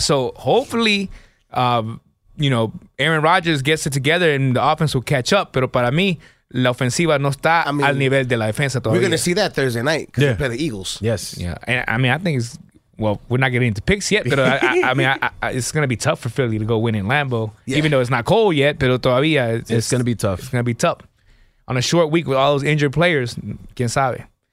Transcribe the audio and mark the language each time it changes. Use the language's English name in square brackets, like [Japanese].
[English] So hopefully, Aaron Rodgers gets it together and the offense will catch up. [Spanish] Pero para mí, la ofensiva no está al nivel de la defensa todavía. [English] We're going to see that Thursday night because they play the Eagles. Yes. Yeah. And we're not getting into picks yet, but it's going to be tough for Philly to go win in Lambeau. Yeah. Even though it's not cold yet, [Spanish] pero todavía [English] it's going to be tough. It's going to be tough. On a short week with all those injured players, [Spanish] quién sabe.